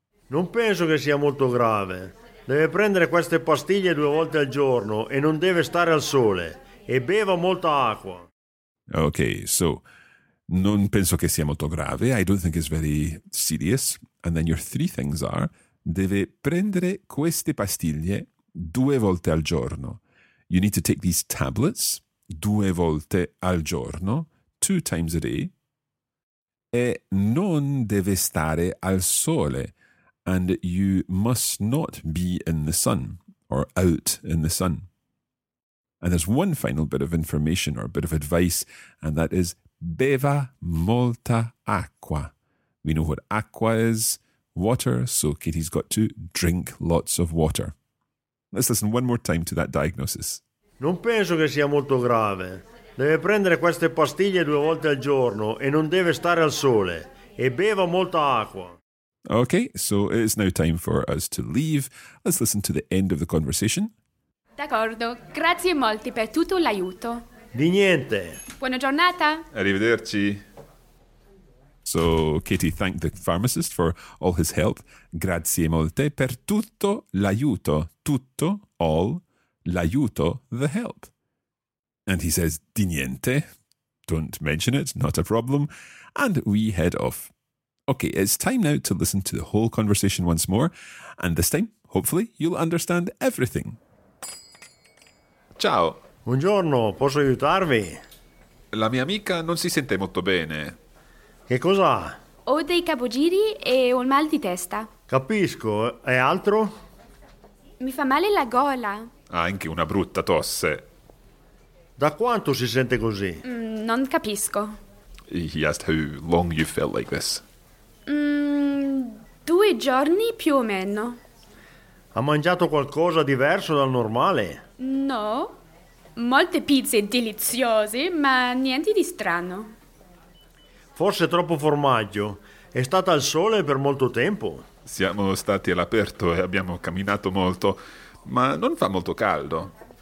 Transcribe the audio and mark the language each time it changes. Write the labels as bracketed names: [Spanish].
[Italian] Non penso che sia molto grave. Deve prendere queste pastiglie due volte al giorno e non deve stare al sole. E beva molta acqua. [English] Okay, so [Italian] non penso che sia molto grave. [English] I don't think it's very serious. And then your 3 things are, [Italian] deve prendere queste pastiglie due volte al giorno. [English] You need to take these tablets [Italian] due volte al giorno, [English] 2 times a day, [Italian] e non deve stare al sole, [English] and you must not be in the sun, or out in the sun. And there's one final bit of information, or a bit of advice, and that is, [Italian] beva molta acqua. [English] We know what acqua is, water, so Katie's got to drink lots of water. Let's listen one more time to that diagnosis. [Italian] Non penso che sia molto grave. Deve prendere queste pastiglie due volte al giorno e non deve stare al sole. E beva molta acqua. [English] Okay, so it's now time for us to leave. Let's listen to the end of the conversation. [Italian] D'accordo. Grazie molti per tutto l'aiuto. Di niente. Buona giornata. Arrivederci. [English] So Katie thanked the pharmacist for all his help. [Italian] Grazie molte per tutto l'aiuto. Tutto, all, l'aiuto, the help. [English] And he says, [Italian] di niente. [English] Don't mention it, not a problem. And we head off. Okay, it's time now to listen to the whole conversation once more. And this time, hopefully, you'll understand everything. [Italian] Ciao. Buongiorno, posso aiutarvi? La mia amica non si sente molto bene. Che cosa? Ho dei capogiri e ho un mal di testa. Capisco, e altro? Mi fa male la gola. Ha anche una brutta tosse. Da quanto si sente così? Non capisco. [English] He asked how long you felt like this. [Italian] Due giorni più o meno. Ha mangiato qualcosa diverso dal normale? No. Molte pizze deliziose, ma niente di strano. Forse troppo formaggio. È stata al sole per molto tempo. Siamo stati all'aperto e abbiamo camminato molto, ma non fa molto caldo.